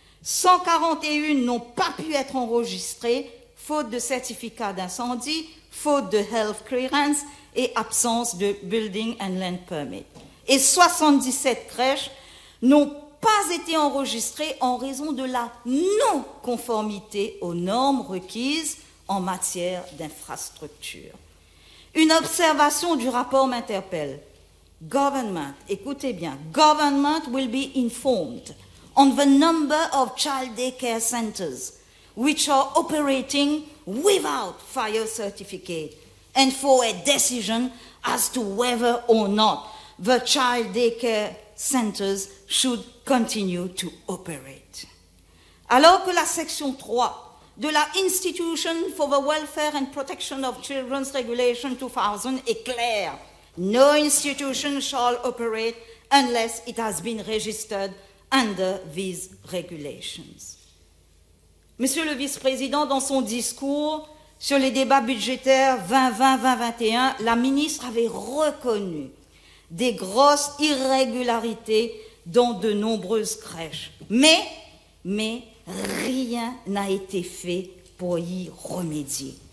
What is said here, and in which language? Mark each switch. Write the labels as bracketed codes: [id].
[fr] 141 n'ont pas pu être enregistrées, faute de certificat d'incendie, faute de [en] health clearance [fr] et absence de [en] building and land permit. [fr] Et 77 crèches n'ont pas été enregistrées en raison de la non-conformité aux normes requises en matière d'infrastructure. Une observation du rapport m'interpelle. [en] Government, [fr] écoutez bien, [en] government will be informed on the number of child daycare centers which are operating without fire certificate and for a decision as to whether or not the child daycare centers should continue to operate. [fr] Alors que la section 3 de la Institution for the Welfare and Protection of Children's Regulation 2000 est clair. [en] No institution shall operate unless it has been registered under these regulations. [fr] Monsieur le vice-président, dans son discours sur les débats budgétaires 2020-2021, la ministre avait reconnu des grosses irrégularités dans de nombreuses crèches. Mais, rien n'a été fait pour y remédier.